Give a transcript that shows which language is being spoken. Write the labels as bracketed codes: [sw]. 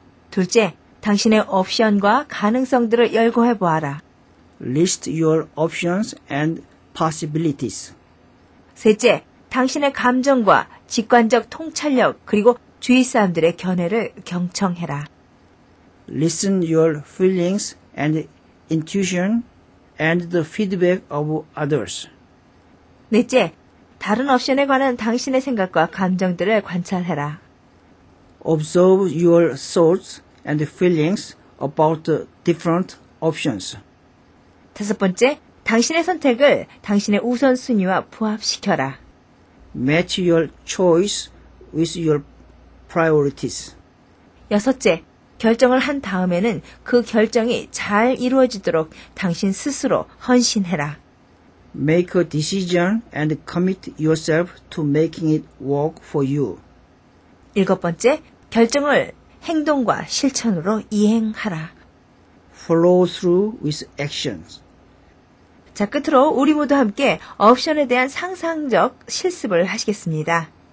[ko] 둘째, 당신의 옵션과 가능성들을 열거해 보아라. [en] List your options and possibilities. [ko] 셋째, 당신의 감정과 직관적 통찰력 그리고 주위 사람들의 견해를 경청해라. [en] Listen your feelings and intuition and the feedback of others. [ko] 넷째, 다른 옵션에 관한 당신의 생각과 감정들을 관찰해라. [en] Observe your thoughts and feelings about the different options. [ko] 다섯 번째, 당신의 선택을 당신의 우선순위와 부합시켜라. [en] Match your choice with your priorities. [ko] 여섯째, 결정을 한 다음에는 그 결정이 잘 이루어지도록 당신 스스로 헌신해라. [en] Make a decision and commit yourself to making it work for you. [ko] 일곱 번째, 결정을 행동과 실천으로 이행하라. [en] Follow through with actions. [ko] 자, 끝으로 우리 모두 함께 옵션에 대한 상상적 실습을 하시겠습니다.